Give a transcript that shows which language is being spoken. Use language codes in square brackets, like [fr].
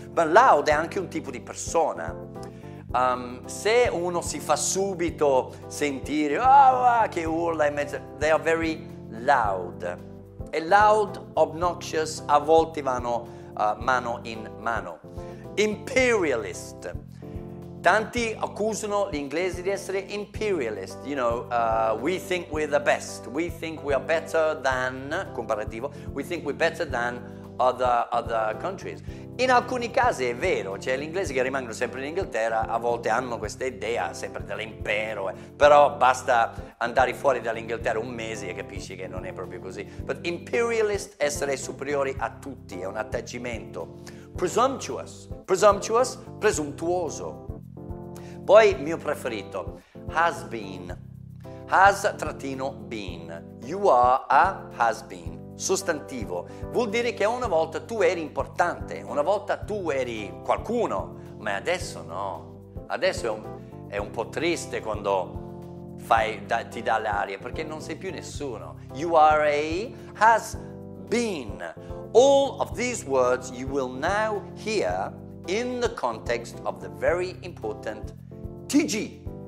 [it] Ma loud è anche un tipo di persona. Se uno si fa subito sentire che urla in mezzo, [en] they are very loud. [it] E loud, obnoxious, a volte vanno mano in mano. [en] Imperialist. [it] Tanti accusano gli inglesi di essere [en] imperialist, you know, we think we're the best, we think we are better than, comparativo, we think we're better than other countries. [it] In alcuni casi è vero, cioè gli inglesi che rimangono sempre in Inghilterra a volte hanno questa idea sempre dell'impero, però basta andare fuori dall'Inghilterra un mese e capisci che non è proprio così. [en] But imperialist, [it] essere superiori a tutti, è un atteggiamento. Presumptuous, presuntuoso. Poi il mio preferito, has been, has trattino been, [en] you are a has been, [it] sostantivo, vuol dire che una volta tu eri importante, una volta tu eri qualcuno, ma adesso no, adesso è un po' triste quando fai, da, ti dà l'aria, perché non sei più nessuno. [en] You are a has been. All of these words you will now hear in the context of the very important TG.